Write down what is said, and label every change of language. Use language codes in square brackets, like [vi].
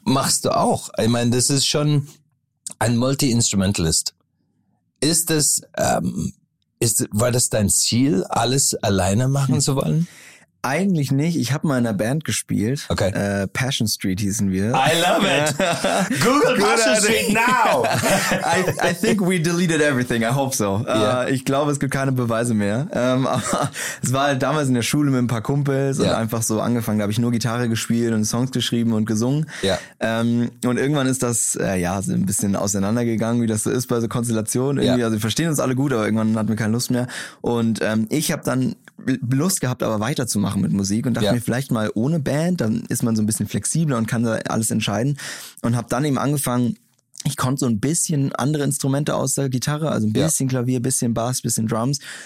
[de] Machst du auch. Ich meine, das ist schon ein Multi-Instrumentalist. Ist das War das dein Ziel, alles alleine machen zu wollen? Eigentlich nicht. Ich habe mal in einer Band gespielt. Okay. Passion Street hießen wir. [en] I love it. Google Passion Street now. I think we deleted everything. I hope so. Yeah. [de] Ich glaube, es gibt keine Beweise mehr. Aber es war halt damals in der Schule mit ein paar Kumpels und einfach so angefangen. Da habe ich nur Gitarre gespielt und Songs geschrieben und gesungen. Yeah. Und irgendwann ist das so ein bisschen auseinandergegangen, wie das so ist bei so Konstellationen. Irgendwie, also wir verstehen uns alle gut, aber irgendwann hatten wir keine Lust mehr. Und ich habe dann Lust gehabt, aber weiterzumachen mit Musik und dachte mir, vielleicht mal ohne Band, dann ist man so ein bisschen flexibler und kann da alles entscheiden und habe dann eben angefangen, ich konnte so ein bisschen andere Instrumente außer Gitarre, also ein bisschen Klavier, bisschen Bass, bisschen Drums